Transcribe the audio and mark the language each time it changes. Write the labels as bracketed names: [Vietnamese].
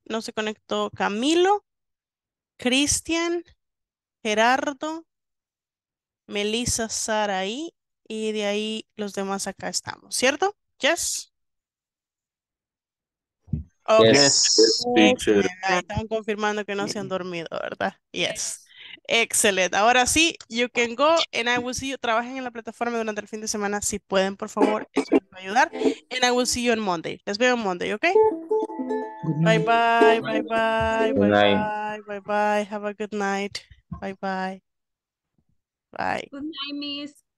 [Spanish] No se conectó Camilo, Cristian, Gerardo, Melissa, Saraí, y de ahí los demás acá estamos, ¿cierto? [English] ¿Yes? Okay. Yes, teacher. [Spanish] Están confirmando que no se han dormido, ¿verdad? [English] Yes. [Spanish] Excelente. Ahora sí, [English] you can go, and I will see you. [Spanish] Trabajen en la plataforma durante el fin de semana, si pueden, por favor, eso les va a ayudar. [English] And I will see you on Monday. [Spanish] Les veo en Monday, ¿ok? [English] Bye, bye, bye, bye, bye, bye, bye, bye, bye. Have a good night. Bye, bye. Bye. Good night, miss.